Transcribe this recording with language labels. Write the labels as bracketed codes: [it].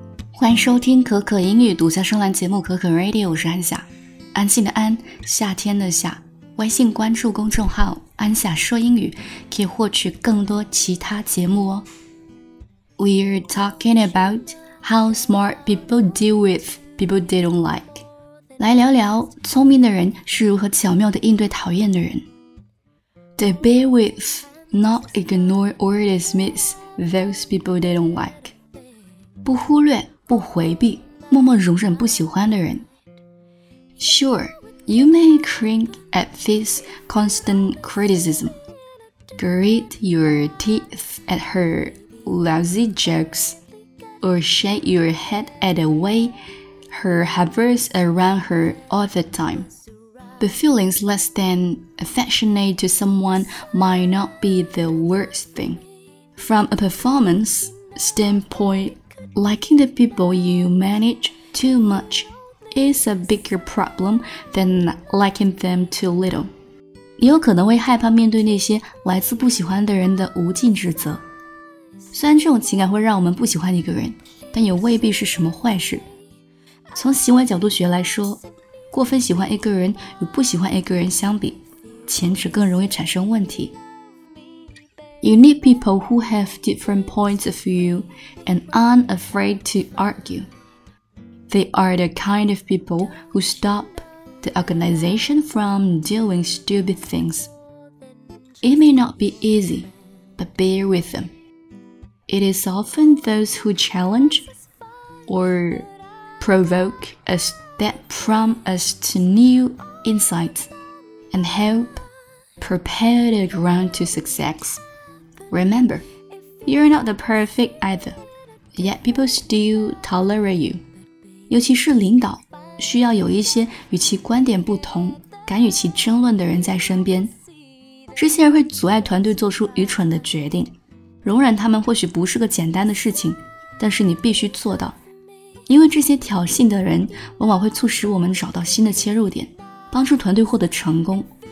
[zh] 欢迎收听可可英语独家声浪节目可可 Radio， 我是安夏，安心的安，夏天的夏。微信关注公众号安夏说英语，可以获取更多其他节目哦。 [en] We're talking about how smart people deal with people they don't like. [zh] 来聊聊聪明的人是如何巧妙地应对讨厌的人。 [en] They bear with, not ignore or dismiss those people they don't like. [zh] 不忽略，不回避，默默容忍不喜欢的人。 [en] Sure, you may cringe at this constant criticism. Grit your teeth at her lousy jokes. Or shake your head at the way her hovers around her all the time. The feelings less than affectionate to someone might not be the worst thing. From a performance standpoint,Liking the people you manage too much is a bigger problem than liking them too little. [zh] 你有可能会害怕面对那些来自不喜欢的人的无尽指责。虽然这种情感会让我们不喜欢一个人，但也未必是什么坏事。从行为角度学来说，过分喜欢一个人与不喜欢一个人相比，前者更容易产生问题。 [en] You need people who have different points of view and aren't afraid to argue. They are the kind of people who stop the organization from doing stupid things. It may not be easy, but bear with them. It is often those who challenge or provoke us that prompt us to new insights and help prepare the ground to success. Remember, you're not the perfect either, yet people still tolerate you. [zh] 尤其是领导，需要有一些与其观点不同、敢与其争论的人在身边。这些人会阻碍团队做出愚蠢的决定。容忍他们或许不是个简单的事情，但是你必须做到。因为这些挑衅的人往往会促使我们找到新的切入点，帮助团队获得成功。